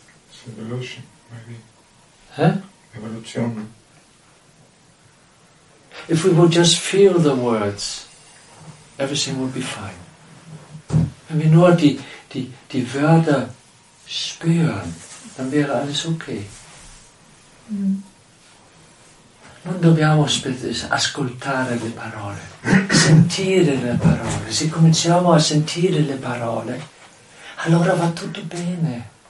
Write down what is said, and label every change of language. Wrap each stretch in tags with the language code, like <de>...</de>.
<en>It's evolution, maybe. Huh? Evolution. If we would just feel the words, everything would be fine.</en> <de>Wenn wir nur die Wörter spüren, dann wäre alles okay. Mm.</de> <it>Non dobbiamo ascoltare le parole, sentire le parole. Se cominciamo a sentire le parole, allora va tutto bene.</it>